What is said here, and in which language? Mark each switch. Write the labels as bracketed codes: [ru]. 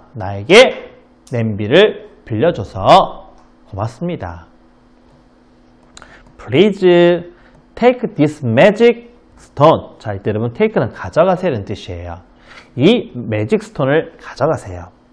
[ko] 나에게 냄비를 빌려줘서 고맙습니다. [en] Please take this magic stone. [ko] 자, 이때 여러분 take는 가져가세요라는 뜻이에요. 이 magic stone을 가져가세요.